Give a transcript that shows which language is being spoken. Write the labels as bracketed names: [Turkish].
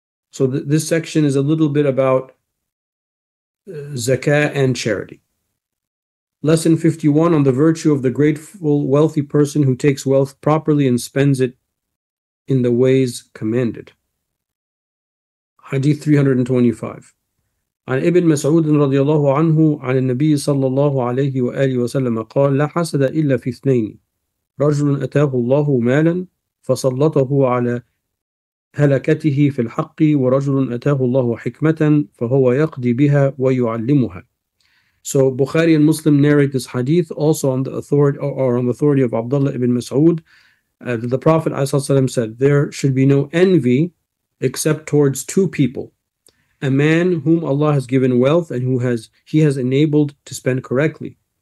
[English] So this section is a little bit about zakah and charity. Lesson 51 on the virtue of the grateful, wealthy person who takes wealth properly and spends it in the ways commanded. Hadith 325. [Arabic] عن ابن مسعود رضي الله عنه عن النبي صلى الله عليه وآله وسلم قال لا حسد إلا في اثنين رجل أتاه الله مالا فسلطه على هلكته في الحق ورجل أتاه الله حكمة فهو يقضي بها ويعلمها. [English] So Bukhari and Muslim narrate this hadith also on the authority of Abdullah ibn Mas'ud. The Prophet ﷺ said, there should be no envy except towards two people. A man whom Allah has given wealth and who he has enabled to spend correctly.